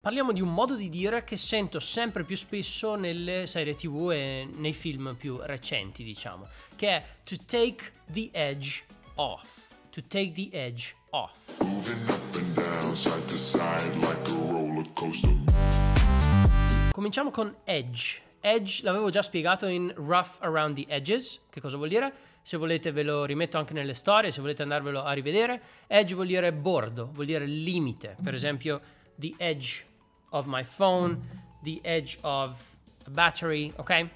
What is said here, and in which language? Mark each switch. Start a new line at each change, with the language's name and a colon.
Italian: Parliamo di un modo di dire che sento sempre più spesso nelle serie TV e nei film più recenti, diciamo, che è
English: to take the edge off. To take the edge off. Moving up and down, side to side, like a roller coaster.
Italian: Cominciamo con edge. Edge l'avevo già spiegato in Rough Around the Edges, che cosa vuol dire? Se volete ve lo rimetto anche nelle storie, se volete andarvelo a rivedere. Edge vuol dire bordo, vuol dire limite. Per esempio,
English: the edge of my phone, the edge of a battery,
Italian: ok?